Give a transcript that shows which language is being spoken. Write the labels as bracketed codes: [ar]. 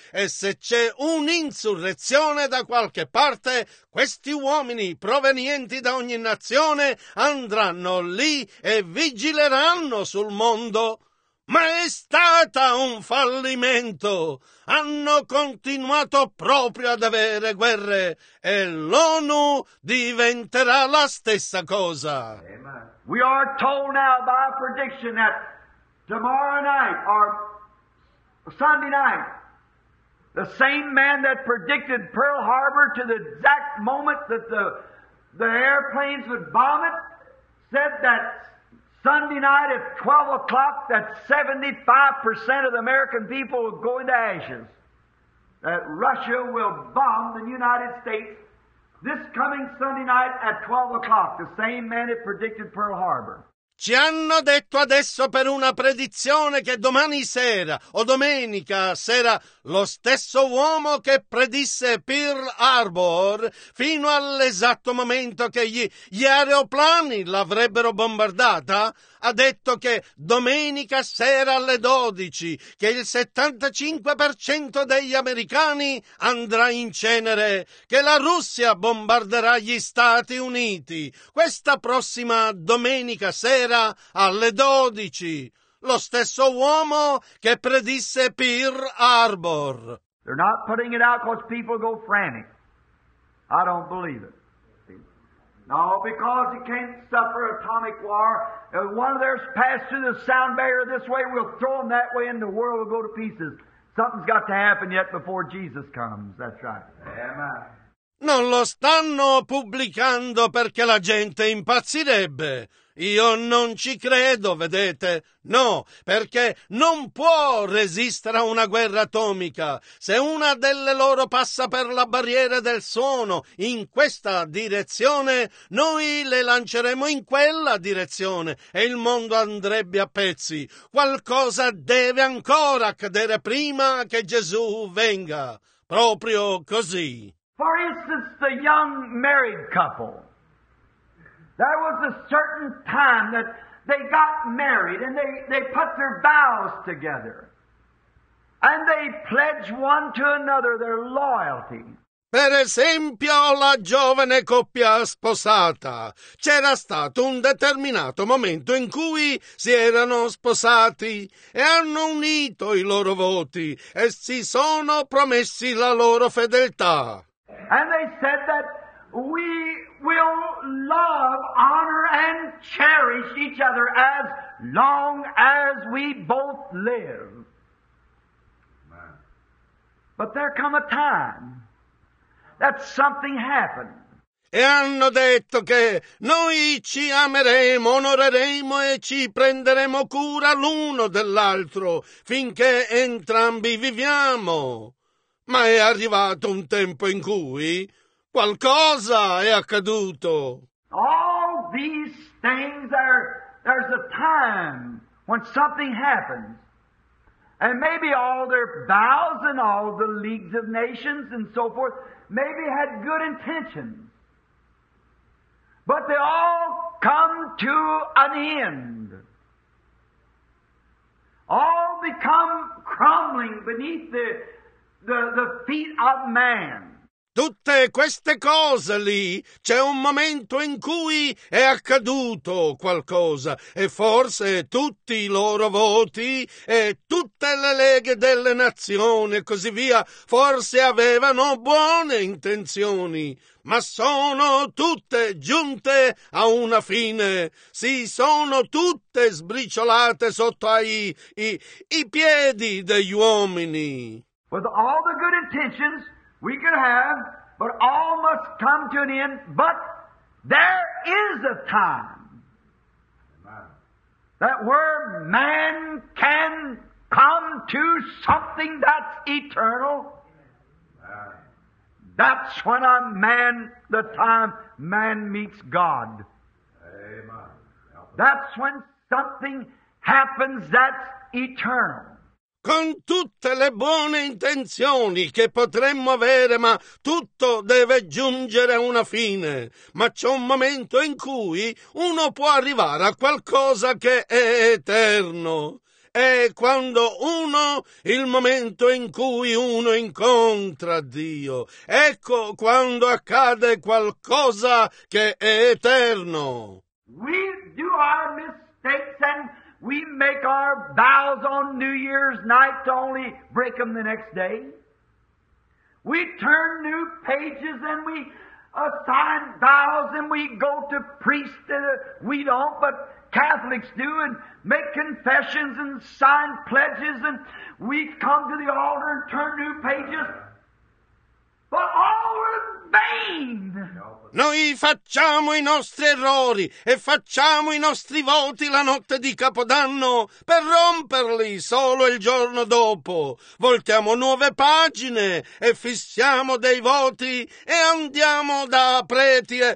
[it] E se c'è un'insurrezione da qualche parte, questi uomini provenienti da ogni nazione andranno lì e vigileranno sul mondo. Ma è stata un fallimento. Hanno continuato proprio ad avere guerre e l'ONU diventerà la stessa cosa. Amen. [en] We are told now by prediction that tomorrow night or Sunday night, the same man that predicted Pearl Harbor to the exact moment that the airplanes would bomb it said that Sunday night at 12 o'clock, that 75% of the American people will go into ashes. That Russia will bomb the United States this coming Sunday night at 12 o'clock, the same man that predicted Pearl Harbor. [it] Ci hanno detto adesso per una predizione che domani sera o domenica sera lo stesso uomo che predisse Pearl Harbor fino all'esatto momento che gli aeroplani l'avrebbero bombardata ha detto che domenica sera alle 12 che il 75% degli americani andrà in cenere, che la Russia bombarderà gli Stati Uniti questa prossima domenica sera alle 12. Lo stesso uomo che predisse Pearl Harbor. [en] They're not putting it out because people go frantic. I don't believe it. No, because it can't suffer atomic war. If one of theirs passed through the sound barrier this way, we'll throw them that way and the world will go to pieces. Something's got to happen yet before Jesus comes. That's right. Amen. [it] Non lo stanno pubblicando perché la gente impazzirebbe. Io non ci credo, vedete? No, perché non può resistere a una guerra atomica. Se una delle loro passa per la barriera del suono in questa direzione, noi le lanceremo in quella direzione e il mondo andrebbe a pezzi. Qualcosa deve ancora accadere prima che Gesù venga. Proprio così. [en] For instance, the young married couple. There was a certain time that they got married and they put their vows together. And they pledge one to another their loyalty. [it] Per esempio, la giovane coppia sposata. C'era stato un determinato momento in cui si erano sposati e hanno unito i loro voti e si sono promessi la loro fedeltà. [en] And they said that we will love, honor and cherish each other as long as we both live. But there come a time that something happened. [it] E hanno detto che noi ci ameremo, onoreremo e ci prenderemo cura l'uno dell'altro finché entrambi viviamo. Ma è arrivato un tempo in cui qualcosa è accaduto. [en] All these things are, there's a time when something happens. And maybe all their vows and all the leagues of nations and so forth maybe had good intentions. But they all come to an end. All become crumbling beneath the feet of man. [it] Tutte queste cose lì, c'è un momento in cui è accaduto qualcosa e forse tutti i loro voti e tutte le leghe delle nazioni e così via, forse avevano buone intenzioni, ma sono tutte giunte a una fine. Si sono tutte sbriciolate sotto i piedi degli uomini. [en] With all the good intentions we could have, but all must come to an end. But there is a time that where man can come to something that's eternal. Amen. That's when a man, the time man meets God. Amen. That's when something happens that's eternal. [it] Con tutte le buone intenzioni che potremmo avere, ma tutto deve giungere a una fine. Ma c'è un momento in cui uno può arrivare a qualcosa che è eterno. È quando uno, il momento in cui uno incontra Dio. Ecco quando accade qualcosa che è eterno. [en] We do our mistakes and we make our vows on New Year's night to only break them the next day. We turn new pages and we assign vows and we go to priests that we don't, but Catholics do, and make confessions and sign pledges, and we come to the altar and turn new pages. But all in vain! [it] Noi facciamo i nostri errori e facciamo i nostri voti la notte di Capodanno per romperli solo il giorno dopo. Voltiamo nuove pagine e fissiamo dei voti e andiamo da preti.